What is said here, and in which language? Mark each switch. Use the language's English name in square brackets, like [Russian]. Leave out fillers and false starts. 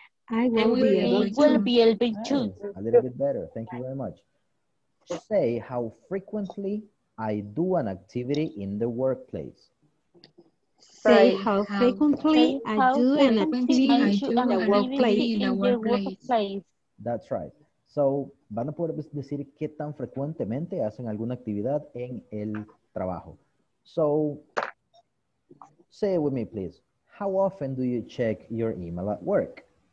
[English] I will be able to. A little bit better. Thank you very much. Say how frequently I do an activity in the workplace. Say how frequently I do an activity in the workplace. That's right. [Spanish] So, van a poder decir qué tan frecuentemente hacen alguna actividad en el trabajo. [English] So, say it with me, please. How often do you check your email at work?